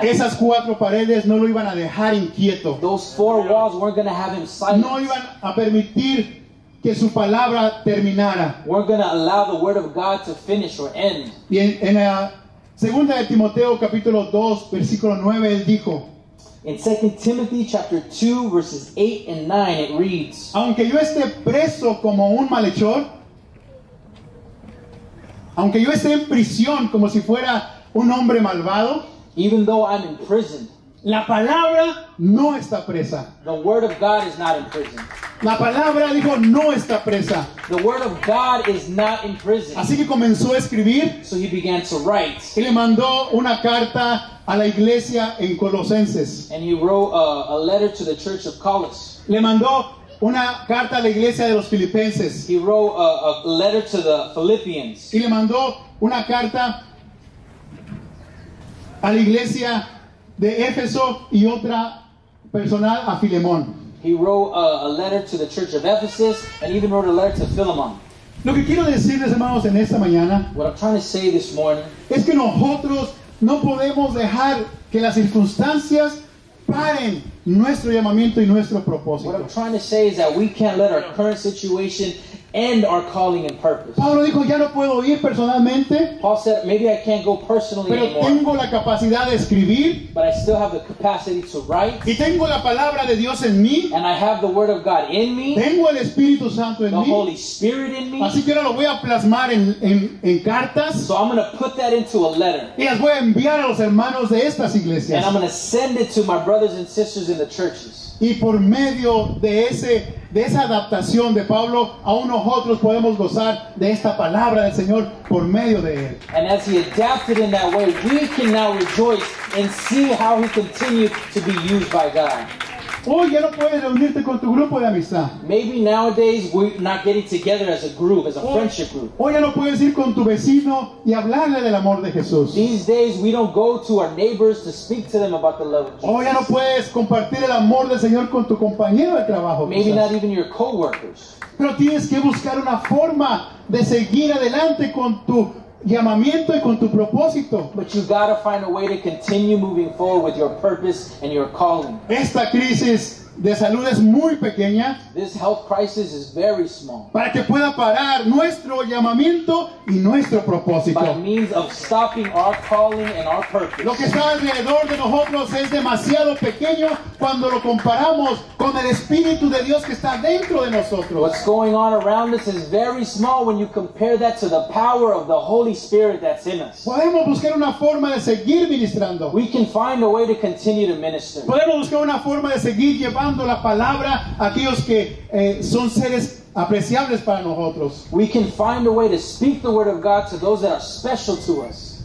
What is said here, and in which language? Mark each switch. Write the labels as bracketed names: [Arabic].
[Spanish] Esas cuatro paredes no lo iban a dejar inquieto. [English] Those four walls weren't going to have him silent. [Spanish] No iban a permitir que su palabra terminara. [English] We're going to allow the word of God to finish or end. [Spanish] Y en la Segunda de Timoteo capítulo 2 versículo 9 él dijo, [English] in 2 Timothy chapter 2 verses 8 and 9 it reads, [Spanish] aunque yo esté preso como un malhechor, aunque yo esté en prisión como si fuera un hombre malvado, [English] even though I'm in prison, [Spanish] la palabra no está presa. [English] The word of God is not in prison. [Spanish] La palabra dijo no está presa. [English] The word of God is not in prison. [Spanish] Así que comenzó a escribir. [English] So he began to write. [Spanish] Y le mandó una carta a la iglesia en Colosenses. [English] And he wrote a letter to the church of Colossus. [Spanish] Le mandó una carta a la iglesia de los Filipenses. [English] He wrote a letter to the Philippians. [Spanish] Y le mandó una carta a la iglesia de Éfeso y otra personal a Filemón. [English] He wrote a letter to the church of Ephesus and even wrote a letter to Philemon. [Spanish] Lo que quiero decirles, hermanos, en esta mañana, [English] what I'm trying to say this morning, [Spanish] es que nosotros no podemos dejar que las circunstancias paren nuestro llamamiento y nuestro propósito. [English] What I'm trying to say is that we can't let our current situation end our calling and purpose. [Spanish] Pablo dijo, ya no puedo ir personalmente. [English] Paul said, maybe I can't go personally [Spanish] pero [English] anymore. [Spanish] Tengo la capacidad de escribir. [English] But I still have the capacity to write. [Spanish] Y tengo la palabra de Dios en mí. [English] And I have the word of God in me. [Spanish] Tengo el Espíritu Santo en [English] the [Spanish] mí. [English] The Holy Spirit in me. [Spanish] Así que ahora lo voy a plasmar en cartas. [English] So I'm going to put that into a letter. [Spanish] Y las voy a enviar a los hermanos de estas iglesias. [English] And I'm going to send it to my brothers and sisters in the churches. [Spanish] Y por medio de ese de esa adaptación de Pablo, aún nosotros podemos gozar de esta palabra del Señor por medio de él. [English] And as he adapted in that way, we can now rejoice and see how he continued to be used by God. [Spanish] Hoy ya no puedes reunirte con tu grupo de amistad. [English] Maybe nowadays we're not getting together as a group, as a friendship group. [Spanish] Hoy ya no puedes ir con tu vecino y hablarle del amor de Jesús. [English] These days we don't go to our neighbors to speak to them about the love of Jesus. [Spanish] Hoy ya no puedes compartir el amor del Señor con tu compañero de trabajo. [English] Maybe not even your coworkers. [Spanish] Pero tienes que buscar una forma de seguir adelante con tu llamamiento y con tu propósito. [English] But you got to find a way to continue moving forward with your purpose and your calling. [Spanish] Esta crisis de salud es muy pequeña. [English] This health crisis is very small. [Spanish] Para que pueda parar nuestro llamamiento y nuestro propósito. [English] By means of stopping our calling and our purpose. [Spanish] Lo que está alrededor de nosotros es demasiado pequeño cuando lo comparamos con el Espíritu de Dios que está dentro de nosotros. [English] What's going on around us is very small when you compare that to the power of the Holy Spirit that's in us. [Spanish] Podemos buscar una forma de seguir ministrando. [English] We can find a way to continue to minister. [Spanish] Podemos buscar una forma de seguir llevando la palabra a aquellos que son seres apreciables para nosotros. [English] We can find a way to speak the word of God to those that are special to us.